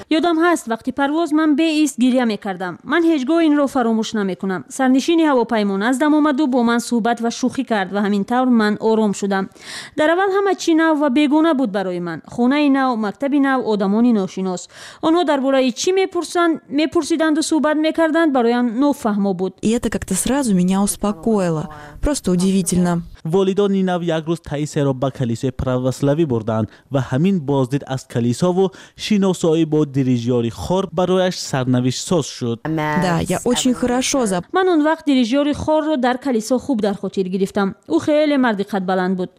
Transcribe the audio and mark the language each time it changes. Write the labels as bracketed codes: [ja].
[fa] یادم هست وقتی پرواز من به ایست گریه میکردم. من هیچگاه این را فراموش نمیکنم. سرنشین هواپیما نزدم آمد و با من صحبت و شوخی کرد و همین طور من آروم شدم. در اول همه چی نو و بیگانه بود برای من. خونه نو، مکتب نو، آدمان ناشناس. آنها درباره چی میپرسند، میپرسیدند و صحبت میکردند، برایم نفهمو بود. [ru] Это как-то сразу меня успокоило. Просто удивительно. [fa] والدان نو یک روز تاییسیه را به کلیسای پروسلاوی بردند و همین بازدید از کلیسا و شناسایی با دیریجیاری خور برایش سرنوشت ساز شد. من اون وقت دیریجیاری خور را در کلیسا خوب در خاطر گرفتم. او خیلی مرد قد بلند بود.